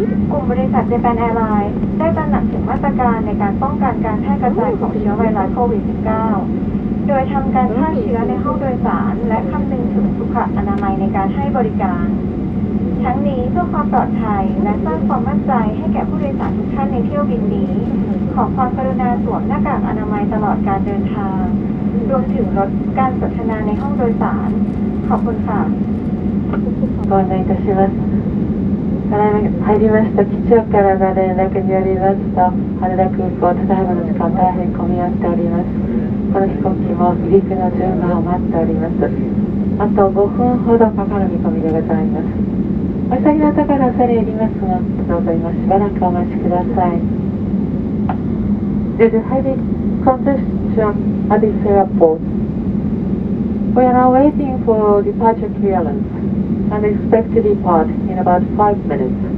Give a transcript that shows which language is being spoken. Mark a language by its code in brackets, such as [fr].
[th] กลุ่มบริษัท Japan Airlines ได้ตระหนักถึงมาตรการในการป้องกันการแพร่กระจายของเชื้อไวรัสโควิด-19 โดยทำการฆ่าเชื้อในห้องโดยสารและคำนึงถึงสุขอนามัยในการให้บริการทั้งนี้เพื่อความปลอดภัยและสร้างความมั่นใจให้แก่ผู้โดยสารทุกท่านในเที่ยวบินนี้ขอความกรุณาสวมหน้ากากอนามัยตลอดการเดินทางรวมถึงลดการสนทนาในห้องโดยสาร [ja] ご案内いたします。ただいま入りました機長からの連絡によりますと、羽田空港ただいまの時間大変混み合っております。この飛行機も離陸の順番を待っております。あと5分ほどかかる見込みでございます。お急ぎのところ恐れ入りますが、どうぞ今しばらくお待ちください。 [en] Due to heavy congestion at this airportWe are now waiting for departure clearance and expect to depart in about 5 minutes.